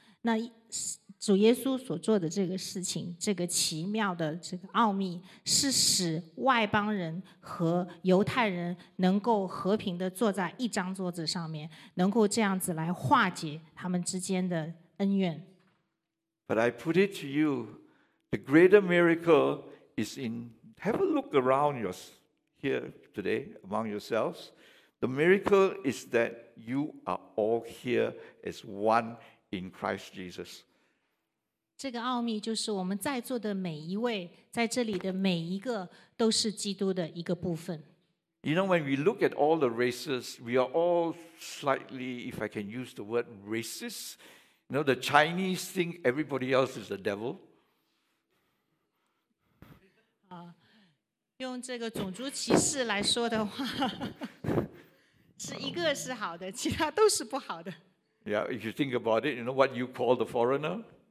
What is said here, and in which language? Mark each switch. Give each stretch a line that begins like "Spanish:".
Chinese: 那主耶稣所做的这个事情，这个奇妙的这个奥秘，是使外邦人和犹太人能够和平的坐在一张桌子上面，能够这样子来化解他们之间的恩怨。
English: But I put it to you, the greater miracle is in, have a look around yours here today among yourselves. The miracle is that you are all here as one in Christ Jesus.
Chinese: 这个奥秘就是我们在座的每一位，在这里的每一个都是基督的一个部分。
English: You know, when we look at all the races, we are all slightly, if I can use the word racist,You know, the Chinese think everybody else is the devil.
Chinese: 用这个种族歧视来说的话，是一个是好的，其他都是不好的。
English: Yeah, if you think about it, you know what you call the foreigner?